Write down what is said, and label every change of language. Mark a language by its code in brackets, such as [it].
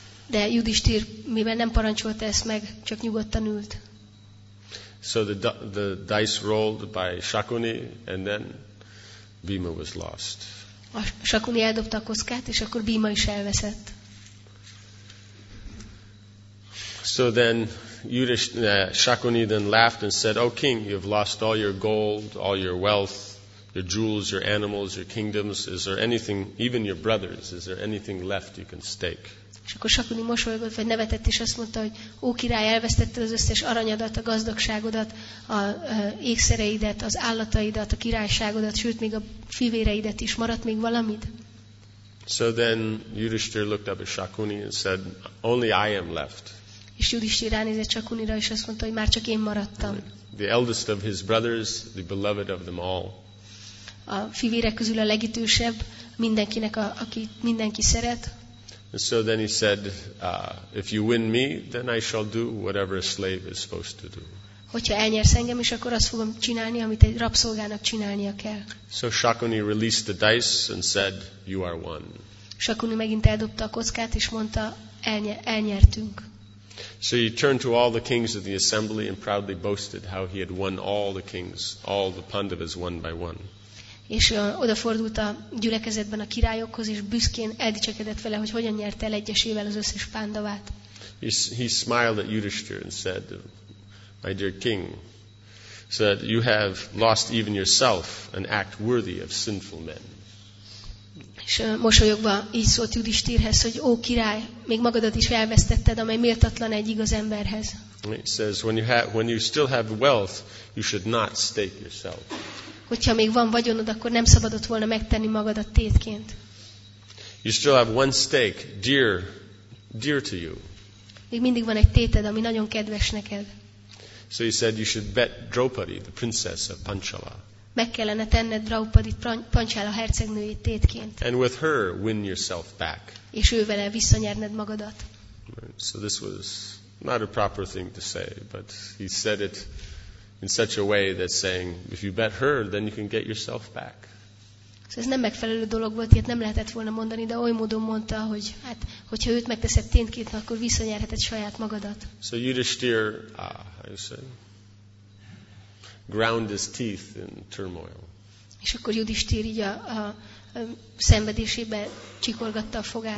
[hu] De Yudhishthir, mivel nem parancsolta ezt meg, csak nyugodtan ült. [en] So the dice rolled by Shakuni, and then Bhima was lost. [hu] A Shakuni eldobta a kockát, és akkor Bhima is elveszett. [en] So then Shakuni then laughed and said, "Oh king, you have lost all your gold, all your wealth, your jewels, your animals, your kingdoms. Is there anything, even your brothers, is there anything left you can stake?" [hu] És akkor Shakuni mosolygott, vagy nevetett, és azt mondta, hogy ó király, elvesztetted az összes aranyadat, a gazdagságodat, az ékszereidet, az állataidat, a királyságodat, sőt, még a fivéreidet is. Maradt még valamid? [en] So then Yudhishthira looked up at Shakuni and said, "Only I am left." [hu] És Yudhishthira ránézett Shakunira, és azt mondta, hogy már csak én maradtam. [en] The eldest of his brothers, the beloved of them all. [hu] A fivérek közül a legidősebb, mindenkinek, aki mindenki szeret. [en] And so then he said, "If you win me, then I shall do whatever a slave is supposed to do." [hu] Hogyha elnyersz engem is, akkor azt fogom csinálni, amit egy rabszolgának csinálnia kell. [en] So Shakuni released the dice and said, "You are one." [hu] Shakuni megint eldobta a kockát és mondta, elnyertünk. [en] So he turned to all the kings of the assembly and proudly boasted how he had won all the kings, all the Pandavas one by one. [hu] És odafordult a gyülekezetben a királyokhoz, és büszkén eldicsekedett vele, hogy hogyan nyerte el egyesével az összes Pándavát. [en] He smiled at Yudhishthira and said, "My dear king, so that you have lost even yourself an act worthy of sinful men." [hu] És mosolyogva így szólt Yudhishthirhez, hogy ó király, még magadat is elvesztetted, amely méltatlan egy igaz emberhez. [en] It says, when you still have wealth, you should not stake yourself. [hu] Hogyha még van vagyonod, akkor nem szabadott volna megtenni magadat tétként. [en] You still have one stake, dear to you. [hu] Még mindig van egy téted, ami nagyon kedves neked. [en] So he said you should bet Draupadi, the princess of Panchala. [hu] Meg kellene tenned Draupadit, Panchala hercegnőjét tétként. [en] And with her win yourself back. [hu] És ővele visszanyerned magadat. [en] So this was not a proper thing to say, but he said it in such a way that saying, if you bet her, then you can get yourself back. [hu] So ez nem megfelelő dolog volt, ilyet nem lehetett volna mondani, de oly módon mondta, hogy hát, hogyha őt megteszed tényként, akkor visszanyerheted saját magadat. [en] So Yudhishthir, ground his teeth in turmoil. [hu] És akkor Yudhishthir így a szenvedésébe csikorgatta a fogát.